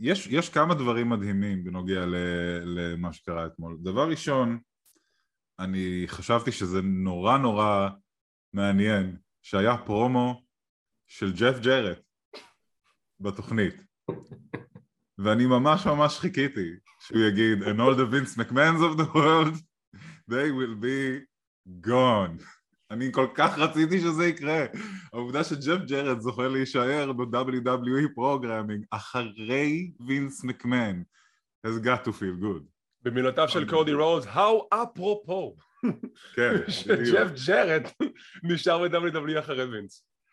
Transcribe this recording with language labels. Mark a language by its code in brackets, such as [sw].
[he] יש כמה דברים מדהימים בנוגע למה שקרה אתמול. דבר ראשון, אני חשבתי שזה נורא נורא מעניין שהיה פרומו של ג'ף ג'רט בתוכנית. ואני ממש ממש חיכיתי שהוא יגיד, [en] and all the Vince McMahons of the world, they will be gone. [he] אני כל כך רציתי שזה יקרה. העובדה שג'ף ג'רט זוכה להישאר ב-WWE programming אחרי וינס מקמהון, [en] has got to feel good. [he] במילותיו של קודי רוז, [en] how apropos. [he] שג'ף ג'רט נשאר ב-WWE אחרי וינס.